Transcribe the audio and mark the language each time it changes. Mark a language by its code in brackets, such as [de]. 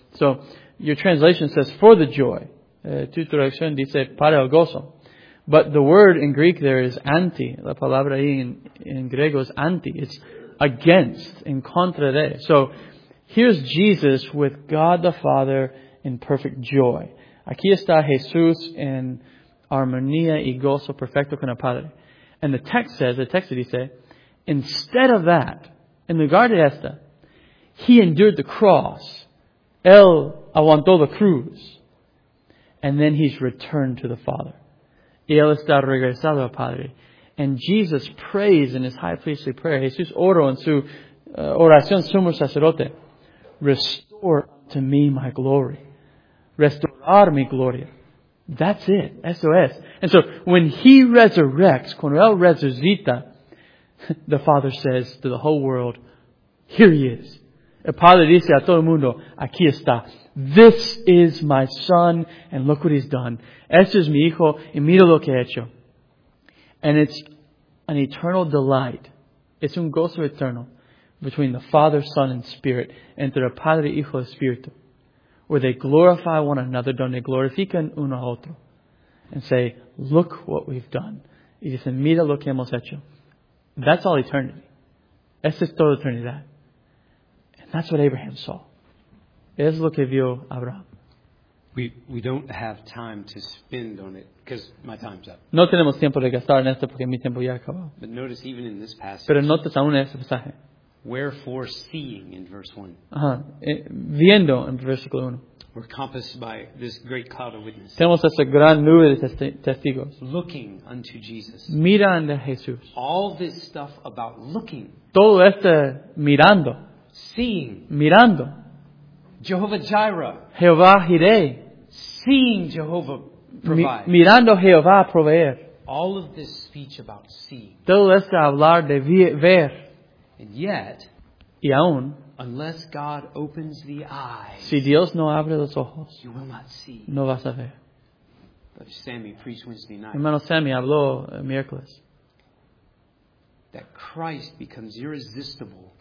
[en] So, your translation says, for the joy. [es] Tu traducción dice, para el gozo. [en] But the word in Greek there is anti. [es] La palabra ahí en griego es anti. [en] It's against, [es] en contra de. [en] So, here's Jesus with God the Father in perfect joy. [es] Aquí está Jesús en armonía y gozo perfecto con el Padre. [en] And the text says, the text that he said, instead of that, [es] in lugar de esta, [en] he endured the cross. [es] Él aguantó la cruz. [en] And then he's returned to the Father. [es] Y él está regresado al Padre. [en] And Jesus prays in his high priestly prayer. [es] Jesús oró en su oración sumo sacerdote. [en] Restore to me my glory. [es] Restaurar mi gloria. [en] That's it. S.O.S. And so when he resurrects, [es] cuando él resucita, [en] the Father says to the whole world, here he is. [es] El Padre dice a todo el mundo, aquí está. [en] This is my Son, and look what he's done. [es] Este es mi hijo, y mira lo que ha hecho. [en] And it's an eternal delight. It's [es] un gozo eterno [en] between the Father, Son, and Spirit, [es] entre el Padre, Hijo, y Espíritu, [en] where they glorify one another, [es] donde glorifican uno a otro, [en] and say, look what we've done. [es] Y dicen, mira lo que hemos hecho. [en] That's all eternity. [es] Esa es toda eternidad. [en] And that's what Abraham saw. [es] Es lo que vio Abraham. [en] We don't have time to spend on it because my time's up. [es] No tenemos tiempo de gastar en esto porque mi tiempo ya acabó. [en] But notice even in this passage. [es] Pero notas aún en este pasaje. [en] Wherefore seeing in verse 1. [es] Viendo en versículo 1. [en] We're compassed by this great cloud of witnesses. [es] Tenemos esa gran nube de testigos. [en] Looking unto Jesus. [es] Mirando a Jesús. [en] All this stuff about looking. [es] Todo este mirando. [en] Seeing. [es] Mirando. [en] Jehovah Jireh. [es] Jehová Jireh. [en] Seeing Jehovah provide. [es] Mirando Jehová proveer. [en] All of this speech about seeing. [es] Todo este hablar de ver. [en] And yet. [es] Y aún. [en] Unless God opens the eyes. [es] Si Dios no abre los ojos. [en] You will not see. [es] No vas a ver. [en] Brother Sammy preached Wednesday night. [es] Hermano Sammy habló miércoles. [en] That Christ becomes irresistible.